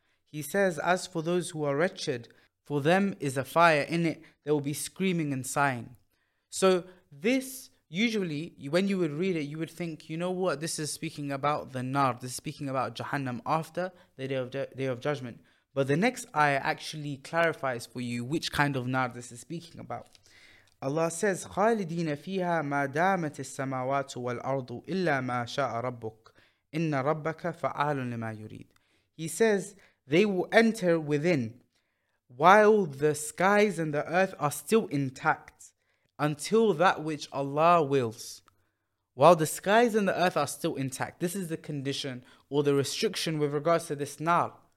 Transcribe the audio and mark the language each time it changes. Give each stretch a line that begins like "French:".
English: He says, as for those who are wretched, for them is a fire in it, they will be screaming and sighing. So this, usually, when you would read it, you would think, you know what, this is speaking about the nar, this is speaking about Jahannam after the day of judgment. But the next ayah actually clarifies for you which kind of nar this is speaking about.
Arabic: Allah says, خالدين فيها ما دامت السماوات والأرض إلا ما شاء ربك إن ربك فعال لما يريد.
English: He says, they will enter within while the skies and the earth are still intact until that which Allah wills. While the skies and the earth are still intact, this is the condition or the restriction with regards to this nar.